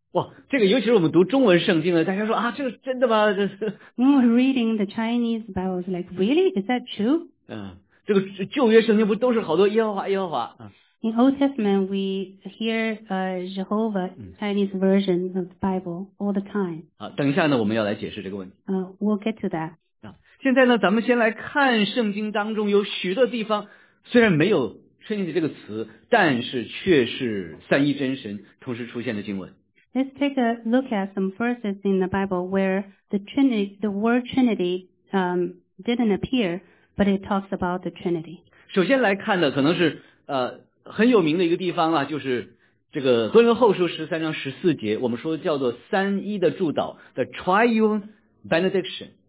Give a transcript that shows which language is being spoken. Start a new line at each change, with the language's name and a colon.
Chinese: 哇，这个尤其是我们读中文圣经的，大家说啊，这个真的吗？这是
English: When we're reading the Chinese Bible, it's like, really? Is that true?
Chinese: 这个旧约圣经不都是好多耶和华耶和华、
English: In Old Testament, we hear Jehovah, Chinese version of the Bible all the time.
Chinese: 好，等一下呢，我们要来解释这个问题。
English: We'll get to that.
Chinese: 现在呢，咱们先来看圣经当中有许多地方虽然没有 Trinity 这个词，但是却是三一真神同时出现的经文。
English: Let's take a look at some verses in the Bible where the word Trinity, didn't appear, but it talks about the Trinity.
Chinese: 首先来看的可能是很有名的一个地方啊，就是这个哥林多后书13章14节，我们说叫做三一的祝祷 ,the triune benediction.